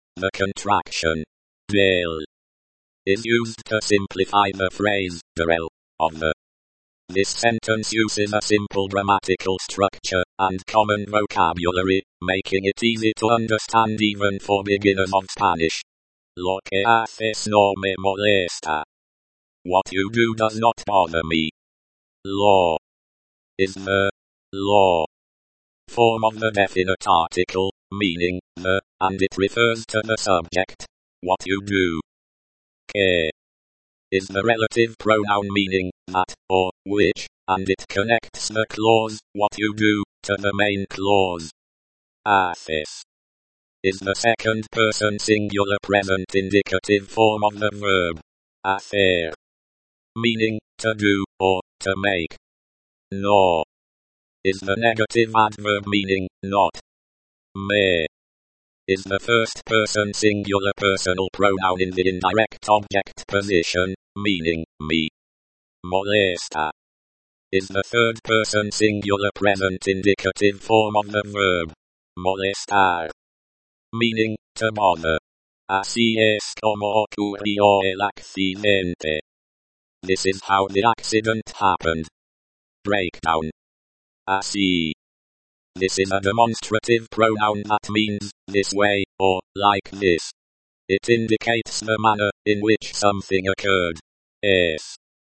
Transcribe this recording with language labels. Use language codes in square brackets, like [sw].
[en] The contraction. Del. Is used to simplify the phrase, del. Of the. This sentence uses a simple grammatical structure, and common vocabulary, making it easy to understand even for beginners of Spanish. [es] Lo que haces no me molesta. [en] What you do does not bother me. Lo. Is the. Law. Form of the definite article, meaning, the, and it refers to the subject, what you do. Que. Is the relative pronoun meaning, that, or, which, and it connects the clause, what you do, to the main clause. Haces. Is the second person singular present indicative form of the verb. Hacer. Meaning, to do, or, to make. No. Is the negative adverb meaning, not. Me. Is the first person singular personal pronoun in the indirect object position, meaning, me. Molesta. Is the third person singular present indicative form of the verb. Molestar. Meaning, to bother. [es] Así es como ocurrió el accidente. [en] This is how the accident happened. Breakdown. Así. This is a demonstrative pronoun that means, this way, or, like this. It indicates the manner, in which something occurred. Es.